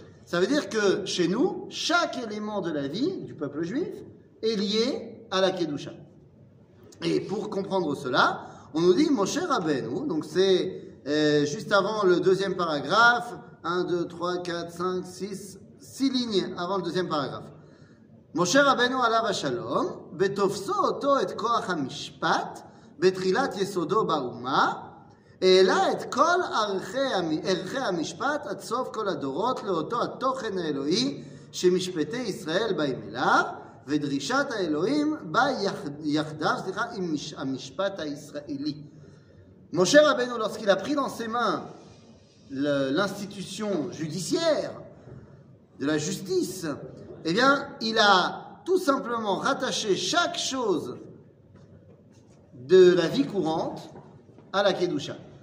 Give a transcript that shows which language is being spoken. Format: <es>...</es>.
<fr>Ça veut dire que chez nous, chaque élément de la vie du peuple juif est lié à la Kedusha. Et pour comprendre cela, on nous dit Moshe Rabbeinu, donc c'est juste avant le deuxième paragraphe, 1, 2, 3, 4, 5, 6, 6 lignes avant le deuxième paragraphe.</fr> <he>Moshe Rabbeinu alav ha-shalom, betofso oto et koach ha-mishpat, betrilat yesodo ba'uma, העלה את כל ערכי המשפט עד סוף כל הדורות לאותו התוכן האלוהי שמשפטי ישראל באים אליו ודרישת האלוהים בא יחדיו, סליחה, עם המשפט הישראלי.</he> <fr>משה רבנו, lorsqu'il a pris dans ses mains l'institution judiciaire de la justice, eh bien, il a tout simplement rattaché chaque chose de la vie courante à la Kedusha.</fr>